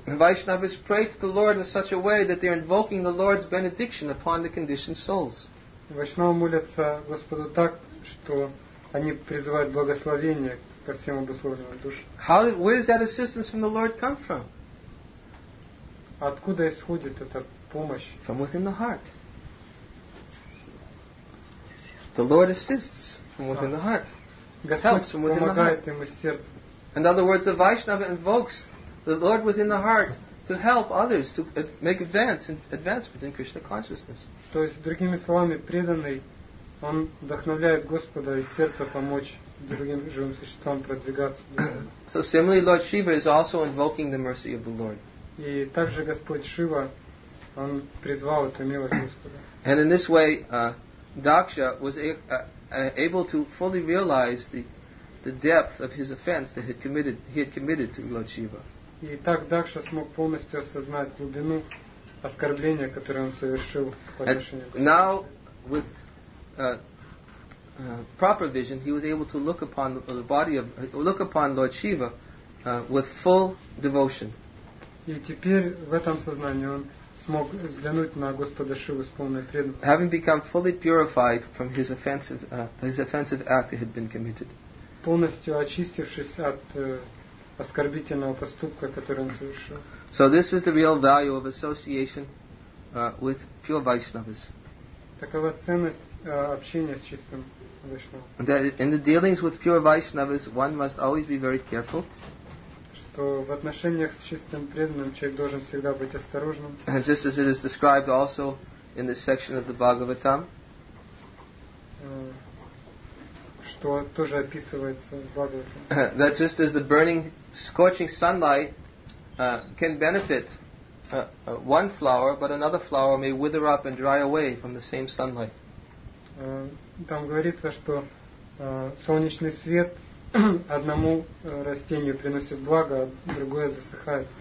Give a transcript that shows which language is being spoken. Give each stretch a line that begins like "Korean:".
English: And Vaishnavas pray to the Lord in such a way that they're invoking the Lord's benediction upon the conditioned souls.
Russian: Вайшнавы молятся Господу так, что они призывают благословение ко всем обусловленным душам.
English: Where does that assistance from the Lord come from?
Russian: Откуда исходит эта помощь?
English: From within the heart. The Lord assists from within the heart.
Russian: Господь
English: helps from within
Russian: помогает
English: the heart.
Russian: Ему из сердца.
English: In other words, the Vaishnava invokes the Lord within the heart to help others to make advancement in Krishna consciousness.
Russian: То есть, другими словами, преданный, он вдохновляет Господа из сердца помочь другим живым существам продвигаться.
English: So similarly, Lord Shiva is also invoking the mercy of the Lord.
Russian: И также Господь Шива он призвал эту милость Господа.
English: And in this way, Daksha was able to fully realize the depth of his offense that he had committed to Lord Shiva.
Russian: И так Дакша смог полностью осознать глубину оскорбления, которое он совершил по отношению к Господу.
English: Now, with proper vision, he was able to look upon the body of look upon Lord Shiva with full devotion.
Russian: И теперь в этом сознании он смог взглянуть на Господа Шиву с полной преданностью.
English: Having become fully purified from his offensive act that had been committed.
Russian: Полностью очистившись от оскорбительного поступка, который он совершил.
English: So this is the real value of association with pure Vaishnavas.
Russian: Такова ценность общения с чистым Вайшнавом.
English: In the dealings with pure Vaishnavas, one must always be very careful.
Russian: Что в отношениях с чистым преданным человек должен всегда быть осторожным.
English: And just as it is described also in this section of the Bhagavatam.
Russian: Что тоже описывается в Бхагаватам.
English: That just as the burning, scorching sunlight can benefit one flower, but another flower may wither up and dry away from the same sunlight.
Russian: Там говорится, что солнечный свет одному растению приносит благо, а другое засыхает.